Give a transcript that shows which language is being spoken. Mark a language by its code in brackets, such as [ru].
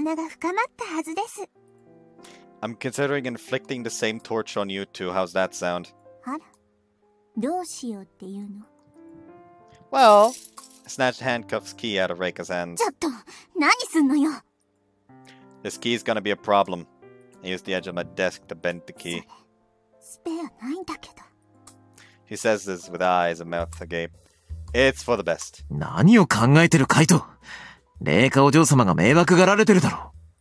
[ja] そうだったかしら。いいじゃない。なかなか楽しかったでしょ。そうです。絆が深まったはずです。 [en] I'm considering inflicting the same torch on you two. How's that sound? [ja] あら、どうしようっていうの? [en] Well... Snatched handcuffs key out of Reika's hands. [ja] ちょっと、何すんのよ? [en] This key's gonna be a problem. I used the edge of my desk to bend the key. [ja] スペアないんだけど。 [en] She says this with eyes and mouth agape. It's for the best. [ja] 何を考えてる, Kaito? レイカお嬢様が迷惑がられてるだろ。